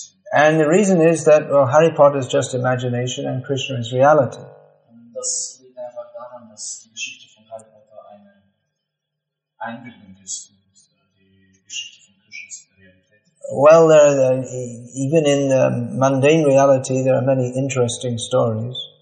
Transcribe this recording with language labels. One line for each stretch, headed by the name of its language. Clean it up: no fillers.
English: And the reason is that, well, Harry Potter is just imagination and Krishna is reality.
German: das liegt einfach daran, dass die Geschichte von Kalpata eine Einbildung ist und die Geschichte von Krishna ist Realität.
English: Well, there, even in the mundane reality, there are many interesting stories.